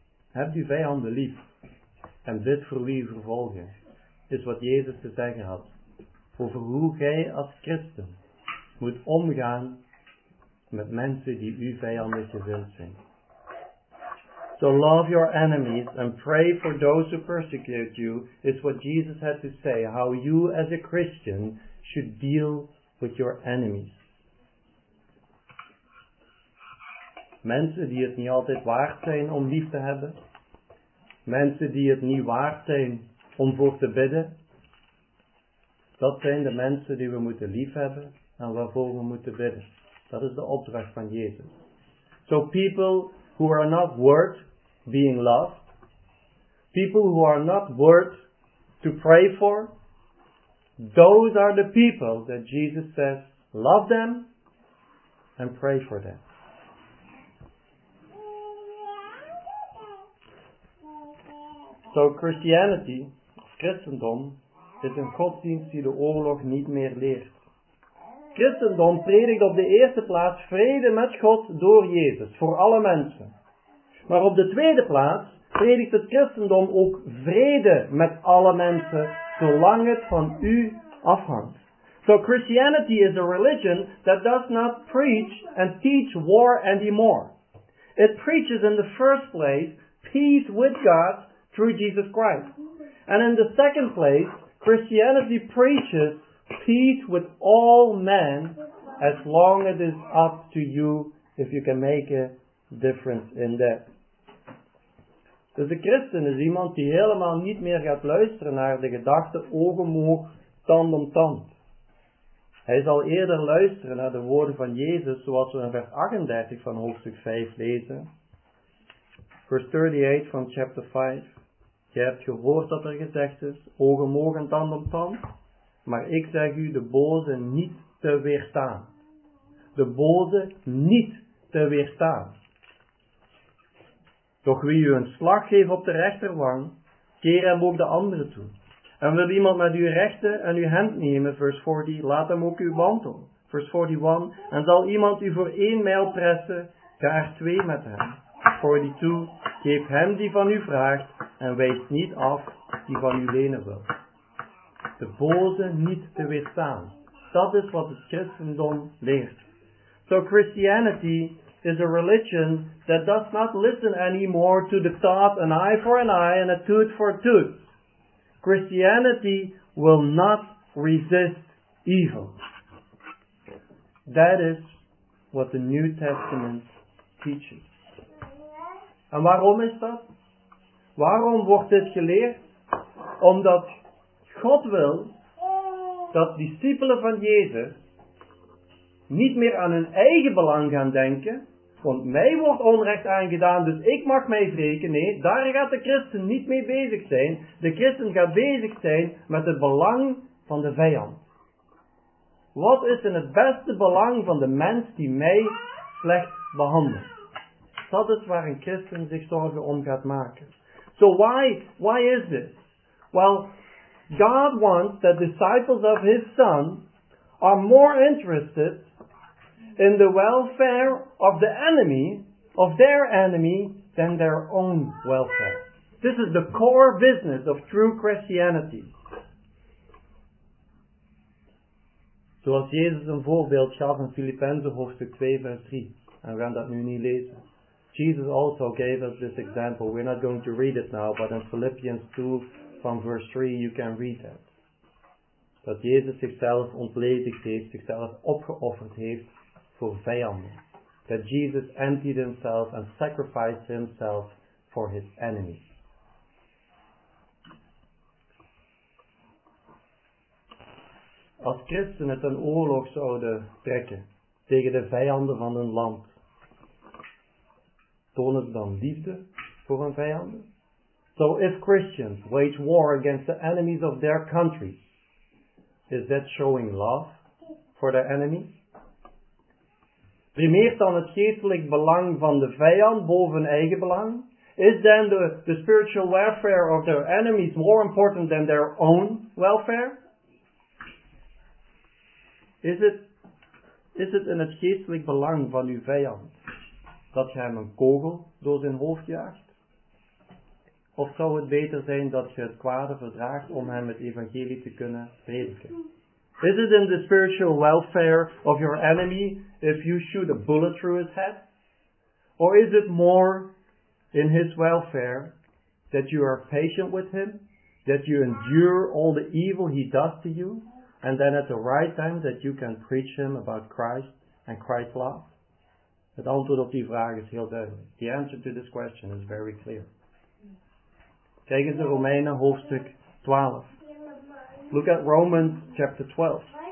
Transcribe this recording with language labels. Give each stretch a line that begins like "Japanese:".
Dutch: Heb die vijanden lief en bid voor wie vervolgen, is wat Jezus te zeggen had. Over hoe jij als christen moet omgaan met mensen die uw vijanden gezind zijn.
English: So love your enemies and pray for those who persecute you, is what Jesus had to say, how you as a Christian should deal with your enemies.
Dutch: Mensen die het niet altijd waard zijn om lief te hebben. Mensen die het niet waard zijn om voor te bidden. Dat zijn de mensen die we moeten lief hebben en waarvoor we moeten bidden. Dat is de opdracht van Jezus.
English: So people who are not worth being loved. People who are not worth to pray for. Those are the people that Jesus says, love them and pray for them. So Christianity,
Dutch: Christendom, is een godsdienst die de oorlog niet meer leert. Christendom predikt op de eerste plaats vrede met God door Jezus, voor alle mensen. Maar op de tweede plaats predikt het Christendom ook vrede met alle mensen, zolang het van u afhangt.
English: So Christianity is a religion that does not preach and teach war anymore. It preaches in the first place peace with God through Jesus Christ. And in the second place, Christianity preaches peace with all men as long as it is up to you if you can make a difference in that.
Dutch: Dus de christen is iemand die helemaal niet meer gaat luisteren naar de gedachte ogen omhoog, tand om tand. Hij zal eerder luisteren naar de woorden van Jezus zoals we in vers 38 van hoofdstuk 5 lezen. Vers 38 van chapter 5. Je hebt gehoord dat er gezegd is, ogen omhoog en tand om tand, maar ik zeg u de boze niet te weerstaan. De boze niet te weerstaan. Doch wie u een slag geeft op de rechterwang, keer hem ook de andere toe. En wil iemand met uw rechten en uw hemd nemen, vers 40, laat hem ook uw mantel.
English: Verse 41.
Dutch: En zal iemand u voor één mijl pressen, ga er twee met hem. 42. Geef hem die van u vraagt en wijs niet af die van u lenen wil. De boze niet te weerstaan. Dat is wat het christendom leert.
English: So Christianity is a religion that does not listen anymore to the thought an eye for an eye and a tooth for a tooth. Christianity will not resist evil. That is what the New Testament teaches.
Dutch: En waarom is dat? Waarom wordt dit geleerd? Omdat God wil dat discipelen van Jezus niet meer aan hun eigen belang gaan denken. Want mij wordt onrecht aangedaan, dus ik mag mij wreken. Nee, daar gaat de christen niet mee bezig zijn. De christen gaat bezig zijn met het belang van de vijand. Wat is in het beste belang van de mens die mij slecht behandelt? Dat is waar een christen zich zorgen om gaat maken.
English: So why is this? Well, God wants that disciples of his son are more interested in the welfare of the enemy, of their enemy, than their own welfare. This is the core business of true Christianity.
Dutch: Zoals Jezus een voorbeeld gaf in Filippenzen hoofdstuk 2 vers 3. En we gaan dat nu niet lezen.
English: Jesus also gave us this example. We're not going to read it now, but in Philippians 2 from verse 3 you can read that.
Dutch: Dat Jezus zichzelf ontledigd heeft, zichzelf opgeofferd heeft voor vijanden.
English: That Jesus emptied himself and sacrificed himself for his enemies.
Dutch: Als christenen het een oorlog zouden trekken tegen de vijanden van hun land, tonen ze dan liefde voor hun vijanden?
English: So if Christians wage war against the enemies of their country, is that showing love for their enemies?
Dutch: Primeert dan het geestelijk belang van de vijand boven eigen belang?
English: Is then the spiritual welfare of their enemies more important than their own welfare? Is it
Dutch: in het geestelijk belang van uw vijand dat je hem een kogel door zijn hoofd jaagt? Of zou het beter zijn dat je het kwade verdraagt om hem het evangelie te kunnen prediken?
English: Is it in the spiritual welfare of your enemy if you shoot a bullet through his head? Or is it more in his welfare that you are patient with him, that you endure all the evil he does to you, and then at the right time that you can preach him about Christ and Christ's love?
Dutch: Het antwoord op die vraag is heel duidelijk.
English: The answer to this question is very clear.
Dutch: Kijk eens in Romeinen hoofdstuk 12.
English: Look at Romans chapter 12.